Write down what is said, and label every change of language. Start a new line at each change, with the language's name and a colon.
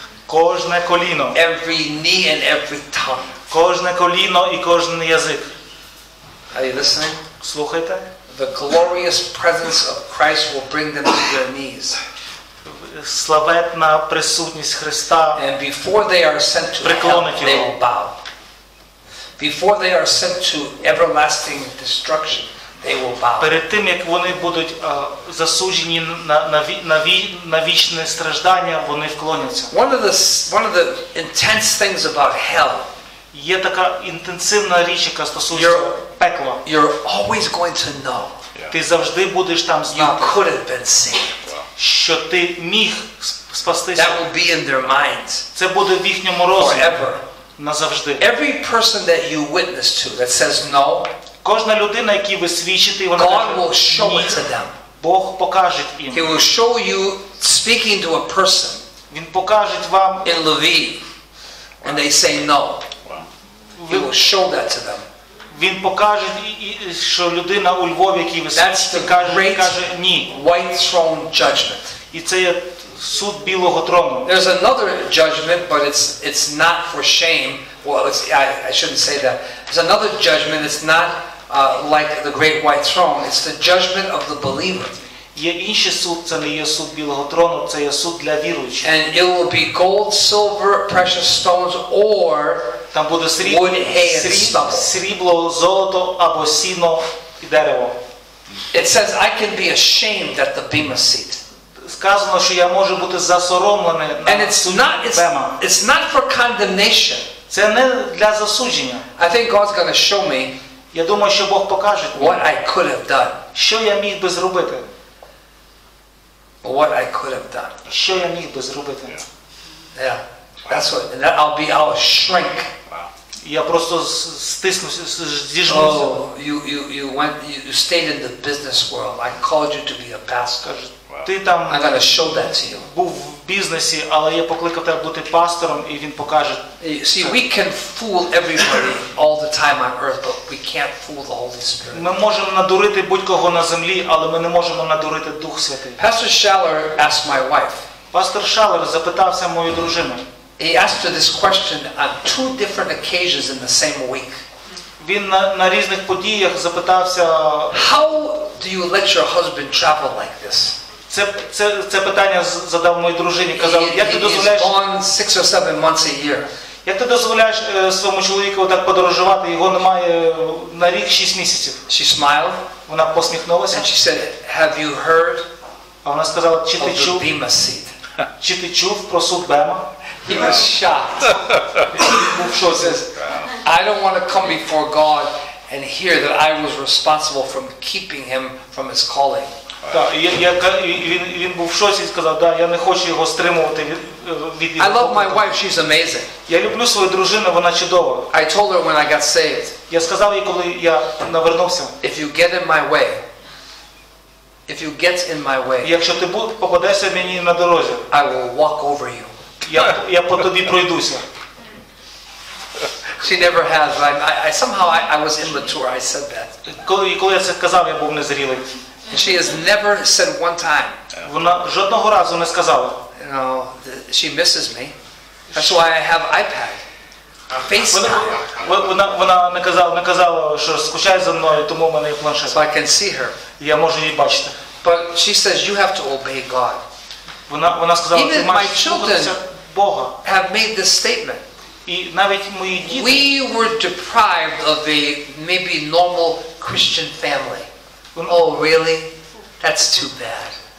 Ukrainian: Кожне коліно.
English: Every knee and every tongue.
Ukrainian: Кожне коліно і кожен язик.
English: Are you listening?
Ukrainian: Слухайте.
English: The glorious presence of Christ will bring them to their knees.
Ukrainian: Славетна присутність Христа.
English: And before they are sent to hell, they will bow. Before they are sent to everlasting destruction, They will bow.
Ukrainian: Перед тим, як вони будуть засуджені на вічне страждання, вони вклоняться.
English: One of the intense things about hell.
Ukrainian: Є така інтенсивна річ, яка стосується пекла.
English: You're always going to know.
Ukrainian: Ти завжди будеш там знати.
English: You could have been saved.
Ukrainian: Що ти міг спастися.
English: That will be in their minds.
Ukrainian: Це буде в їхньому розумі.
English: Forever.
Ukrainian: Назавжди.
English: Every person that you witness to that says no.
Ukrainian: Кожна людина, яку ви свідчите, вона
English: God will show it to them.
Ukrainian: Бог покаже їм.
English: He will show you speaking to a person.
Ukrainian: Він покаже вам
English: in Lviv. And they say no. He will show that to them.
Ukrainian: Він покаже, що людина у Львові, яку ви свідчите, каже ні.
English: White throne judgment.
Ukrainian: І це є суд білого трону.
English: There's another judgment, but it's not for shame. Well, I shouldn't say that. There's another judgment. It's not like the great white throne. It's the judgment of the believer.
Ukrainian: Є інший суд, це не є суд білого трону, це є суд для віруючих.
English: And it will be gold, silver, precious stones, or
Ukrainian: там буде срібло, золото або сіно і дерево.
English: It says I can be ashamed at the bema seat.
Ukrainian: Сказано, що я можу бути засоромлений на суді Бема.
English: It's not for condemnation.
Ukrainian: Це не для засудження.
English: I think God's gonna show me.
Ukrainian: Я думаю, що Бог покаже
English: what I could have done.
Ukrainian: Що я міг би зробити?
English: What I could have done.
Ukrainian: Що я міг би зробити?
English: Yeah. That's what and that I'll shrink.
Ukrainian: Я просто стиснувся, здіжмуся.
English: You stayed in the business world. I called you to be a pastor.
Ukrainian: Ти там
English: I'm gonna show that to you.
Ukrainian: Був в бізнесі, але я покликав тебе бути пастором, і він покаже.
English: See, we can fool everybody all the time on earth, but we can't fool the Holy Spirit.
Ukrainian: Ми можемо надурити будь-кого на землі, але ми не можемо надурити Дух Святий.
English: Pastor Schaller asked my wife.
Ukrainian: Пастор Шалер запитався мою дружину.
English: He asked her this question on two different occasions in the same week.
Ukrainian: Він на різних подіях запитався.
English: How do you let your husband travel like this?
Ukrainian: Це питання задав моїй дружині, казав, як ти дозволяєш?
English: He's gone 6 or 7 months a year.
Ukrainian: Як ти дозволяєш своєму чоловікові так подорожувати? Його немає на рік 6 місяців.
English: She smiled.
Ukrainian: Вона посміхнулася.
English: And she said, "Have you heard?"
Ukrainian: А вона сказала, чи ти чув?
English: The Bema seat.
Ukrainian: Чи ти чув про суд Бема?
English: He was shocked.
Ukrainian: Бог що
English: says, "I don't want to come before God and hear that I was responsible for keeping him from his calling."
Ukrainian: Так, він був в шоці і сказав, да, я не хочу його стримувати від його.
English: I love my wife, she's amazing.
Ukrainian: Я люблю свою дружину, вона чудова.
English: I told her when I got saved.
Ukrainian: Я сказав їй, коли я навернувся.
English: If you get in my way. If you get in my way.
Ukrainian: Якщо ти попадешся мені на дорозі.
English: I will walk over you.
Ukrainian: Я по тобі пройдуся.
English: She never has, but I somehow was immature, I said that.
Ukrainian: Коли я це казав, я був незрілий.
English: She has never said one time.
Ukrainian: Вона жодного разу не сказала.
English: No, she misses me. That's why I have iPad. FaceTime.
Ukrainian: Вона не казала, що скучає за мною, тому в мене є планшет.
English: So I can see her.
Ukrainian: Я можу її бачити.
English: But she says you have to obey God.
Ukrainian: Вона сказала, ти маєш слухатися Бога.
English: Have made this statement. І навіть мої діти. We were deprived of a maybe normal Christian family. Oh, really? That's too bad.